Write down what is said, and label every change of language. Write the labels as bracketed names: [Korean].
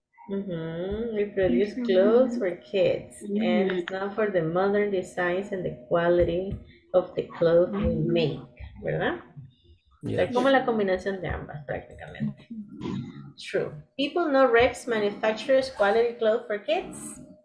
[English] We produce clothes for kids, and it's not for the modern designs and the quality of the clothes we make, ¿verdad? [Spanish] Yes. O sea, como la combinación de ambas, prácticamente. [English] True. People know Rex manufactures quality clothes for kids?